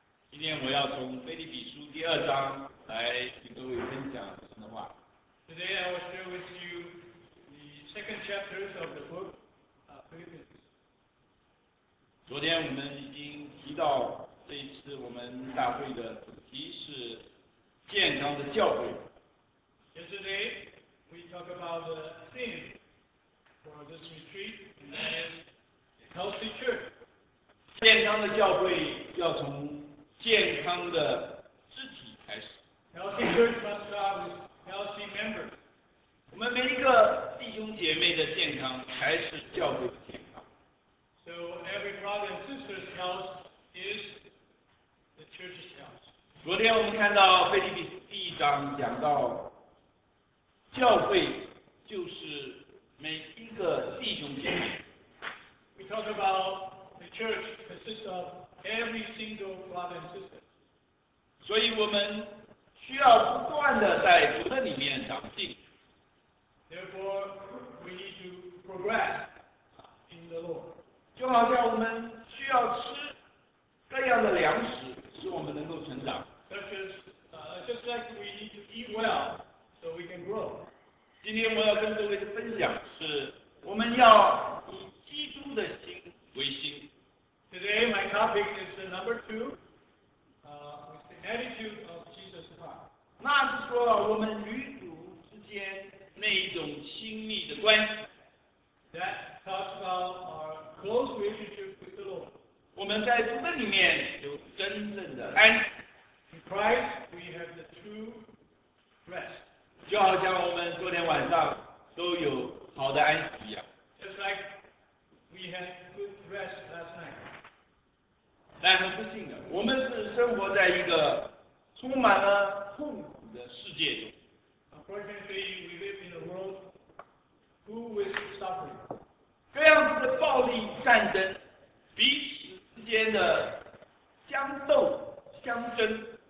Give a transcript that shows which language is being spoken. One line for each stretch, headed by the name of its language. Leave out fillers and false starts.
Chinese: 今天我要从腓立比书第二章来与各位分享神的话。
English: Today I will share with you the second chapter of the book of Philippians.
Chinese: 昨天我们已经提到，这一次我们大会的主题是健康的教会。
English: Yesterday we talked about the theme for this retreat, and that is healthy church.
Chinese: 健康的教会要从健康的肢体开始。
English: Healthy church must start with healthy members.
Chinese: 我们每一个弟兄姐妹的健康才是教会的健康。
English: So every brother and sister's health is the church's health.
Chinese: 昨天我们看到腓立比第一章讲到，教会就是每一个弟兄姐妹。
English: We talk about the church consists of. Every single brother and sister.
Chinese: 所以我们需要不断地在主的里面长进。
English: Therefore, we need to progress in the Lord.
Chinese: 就好像我们需要吃各样的粮食，使我们能够成长。
English: Just like we need to eat well, so we can grow.
Chinese: 今天我要跟各位的分享是，我们要以基督的心为心。
English: Today, my topic is the number two, with the attitude of Jesus Christ.
Chinese: 那是说了我们与主之间那一种亲密的关系。
English: That talks about our close relationship with the Lord.
Chinese: 我们在主的里面有真正的安。
English: In Christ, we have the true rest.
Chinese: 就好像我们昨天晚上都有好的安息一样。
English: Just like we had good rest last night.
Chinese: 但很不幸的，我们是生活在一个充满了痛苦的世界中。
English: Unfortunately, we live in a world full of suffering.
Chinese: 各样子的暴力战争，彼此之间的相斗相争。